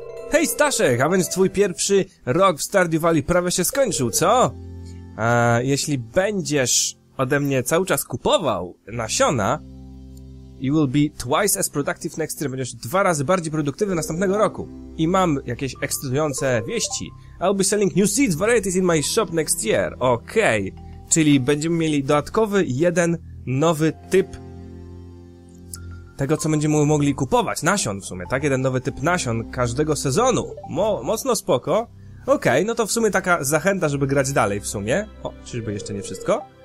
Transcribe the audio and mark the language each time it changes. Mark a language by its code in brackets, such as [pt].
[pl] Hej Staszek, a więc twój pierwszy rok w Stardew Valley prawie się skończył, co? A jeśli będziesz ode mnie cały czas kupował nasiona, [en] you will be twice as productive next year, [pl] będziesz dwa razy bardziej produktywny następnego roku. I mam jakieś ekscytujące wieści. [en] I'll be selling new seeds varieties in my shop next year. [pl] Okej. Czyli będziemy mieli dodatkowy jeden nowy typ tego, co będziemy mogli kupować. Nasion w sumie, tak? Jeden nowy typ nasion każdego sezonu. Mocno spoko. Okej, no to w sumie taka zachęta, żeby grać dalej w sumie. O, czyżby jeszcze nie wszystko?